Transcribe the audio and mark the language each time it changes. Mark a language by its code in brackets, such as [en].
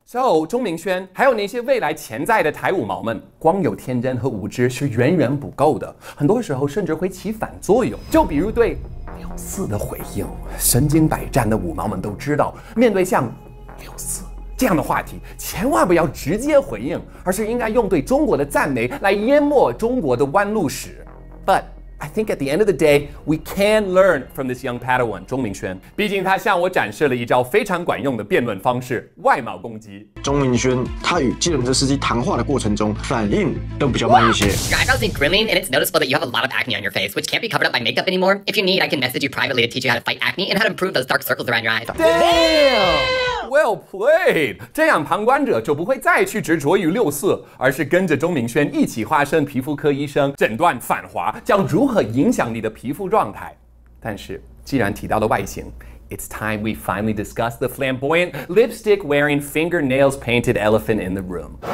[zh] So， 钟明轩，还有那些未来潜在的台五毛们，光有天真和无知是远远不够的，很多时候甚至会起反作用。就比如对六四的回应，身经百战的五毛们都知道，面对像六四这样的话题，千万不要直接回应，而是应该用对中国的赞美来淹没中国的弯路史。 [en] But I think at the end of the day, we can learn from this young Padawan, 钟明轩。 [zh] 毕竟他向我展示了一招非常管用的辩论方式——外貌攻击。钟明轩他与计程车司机谈话的过程中，反应都比较慢一些。 [en] Your eyebrows are grooming, and it's noticeable that you have a lot of acne on your face, which can't be covered up by makeup anymore. If you need, I can message you privately to teach you how to fight acne and how to improve those dark circles around your eyes. Damn! Well played， [zh] 这样旁观者就不会再去执着于六四，而是跟着钟明轩一起化身皮肤科医生，诊断反华将如何影响你的皮肤状态。但是，既然提到了外形 [en] ，It's time we finally discuss the flamboyant lipstick wearing fingernails painted elephant in the room.